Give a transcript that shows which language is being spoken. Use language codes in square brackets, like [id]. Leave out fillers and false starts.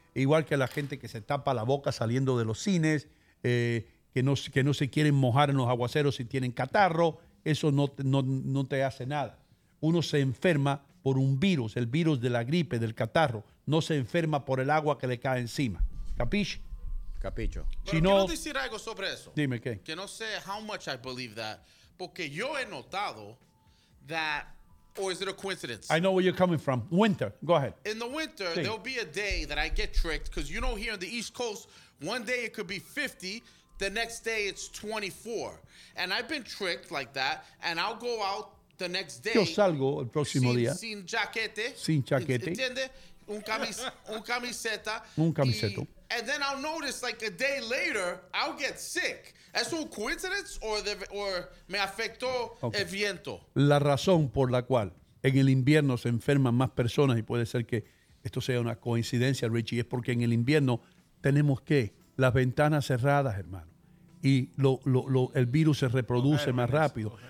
[es] Igual que la gente que se tapa la boca saliendo de los cines, que no se quieren mojar en los aguaceros si tienen catarro, eso no te hace nada. Uno se enferma por un virus, el virus de la gripe, del catarro. No se enferma por el agua que le cae encima. ¿Capiche? Capicho. Si no, quiero decir algo sobre eso. Dime qué. Que no sé [en] how much I believe that, [es] porque yo he notado [en] that, or is it a coincidence? I know where you're coming from. Winter, go ahead. In the winter, sí, there'll be a day that I get tricked, because you know here on the East Coast, one day it could be 50, the next day it's 24. And I've been tricked like that, and I'll go out the next day. [es] Yo salgo el próximo día. Sin chaquete. Sin chaquete. ¿Entiende? Un camiseta. Un camiseto. [en] And then I'll notice like a day later, I'll get sick. [es] ¿Es un [en] coincidence or [es] me afectó el viento? La razón por la cual en el invierno se enferman más personas, y puede ser que esto sea una coincidencia, Richie, es porque en el invierno tenemos que las ventanas cerradas, hermano, y el virus se reproduce más rápido.